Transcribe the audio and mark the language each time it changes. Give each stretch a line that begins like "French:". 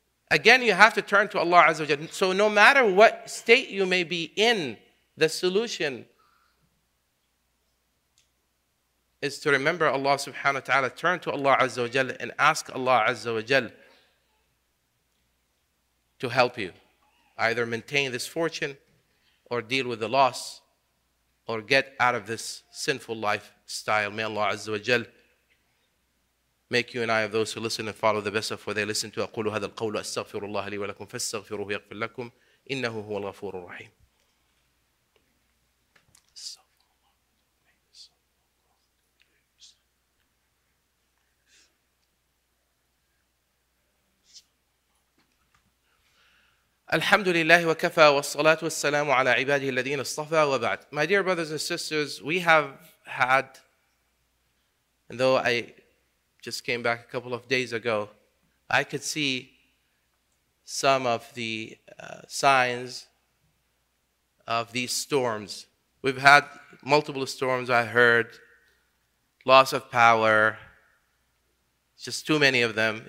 English: Again, you have to turn to Allah azza wa jal. So no matter what state you may be in, the solution is to remember Allah subhanahu wa ta'ala, turn to Allah azza wa jal and ask Allah azza wa jal to help you either maintain this fortune or deal with the loss or get out of this sinful lifestyle. May Allah azza wa jal make you and I of those who listen and follow the best of what they listen to.
Arabic: أقول هذا القول أستغفر الله لي ولكم فاستغفروه يغفر لكم إنه هو الغفور الرحيم. الحمد لله وكفى والصلاة والسلام على عباده الذين اصطفى وبعد.
English: My dear brothers and sisters, we have had, and though I just came back a couple of days ago, I could see some of the signs of these storms. We've had multiple storms, I heard, loss of power, just too many of them.